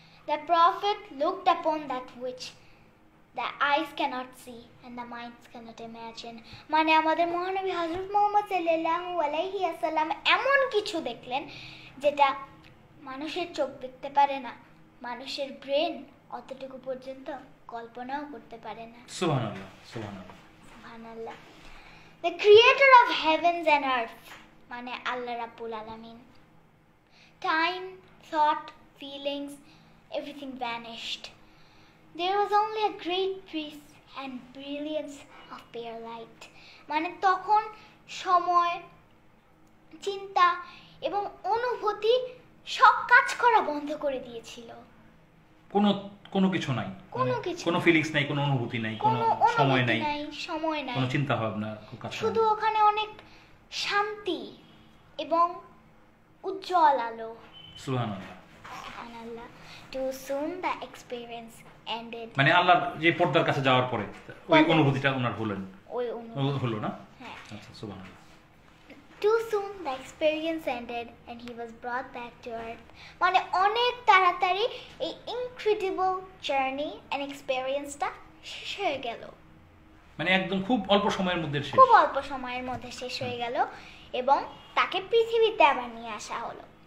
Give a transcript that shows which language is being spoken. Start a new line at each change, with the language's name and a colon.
English: The prophet looked upon that which the eyes cannot see and the minds cannot imagine.
Bangla: মানে আমাদের মহানবী হযরত মুহাম্মদ সাল্লাল্লাহু আলাইহি ওয়াসাল্লাম এমন কিছু দেখলেন যেটা মানুষের চোখ দেখতে পারে না, মানুষের ব্রেন অতটুকু পর্যন্ত কল্পনাও করতে পারে না। সুবহানাল্লাহ, সুবহানাল্লাহ, সুবহানাল্লাহ।
English: The creator of heavens and earth
Bangla: মানে আল্লাহ রাব্বুল আলামিন।
English: Time, thought, feelings, everything vanished. There was only a great peace and brilliance of pure light.
Bangla: মানে তখন সময়, চিন্তা এবং অনুভূতি সব কাজ করা বন্ধ করে দিয়েছিল। কোনো কোনো কিছু নাই, কোনো কিছু, কোনো ফিলিংস নাই, কোনো অনুভূতি নাই, কোনো সময় নাই, সময় নাই, কোনো চিন্তা ভাবনা কাজ, শুধু ওখানে অনেক শান্তি এবং উজ্জ্বল আলো। সুবহানাল্লাহ।
English: Too soon the experience ended.
Bangla: মানে আল্লাহর যে পর্দার কাছে যাওয়ার পরে ওই অনুভূতিটা ওনার হলেন, ওই অনুভূতি হলো না? হ্যাঁ। আচ্ছা, সুবহানাল্লাহ।
English: Too soon the experience ended and he was brought back to earth.
Bangla: মানে অনেক তাড়াতাড়ি এই ইনক্রেডিবল জার্নি এন্ড এক্সপেরিয়েন্সটা শেষ হয়ে গেল। মানে একদম খুব অল্প সময়ের মধ্যে শেষ, খুব অল্প সময়ের মধ্যে শেষ হয়ে গেল এবং তাকে পৃথিবীতে আবার নিয়ে আসা হলো।